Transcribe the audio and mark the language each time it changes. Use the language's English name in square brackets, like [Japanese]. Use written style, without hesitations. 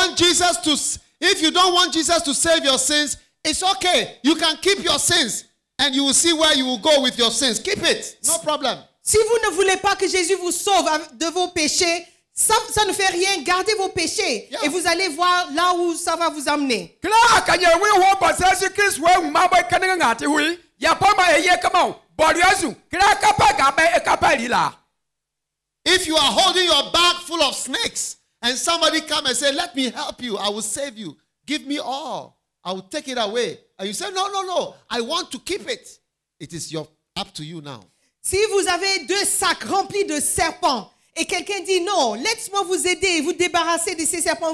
[English] If you don't want Jesus to save your sins, it's okay. You can keep your sins and you will see where you will go with your sins. Keep it. No problem. [French] Si vous ne voulez pas que Jésus vous sauve de vos péchés, Ça ne fait rien, gardez vos péchés. Yeah. Et vous allez voir là où ça va vous amener. [English] If you are holding your bag full of snakes and somebody comes and says, let me help you, I will save you. Give me all. I will take it away. And you say, no, I want to keep it. It is up to you now. [French] Si vous avez deux sacs remplis de serpents, et quelqu'un dit non, laisse-moi vous aider et vous débarrasser de ces serpents.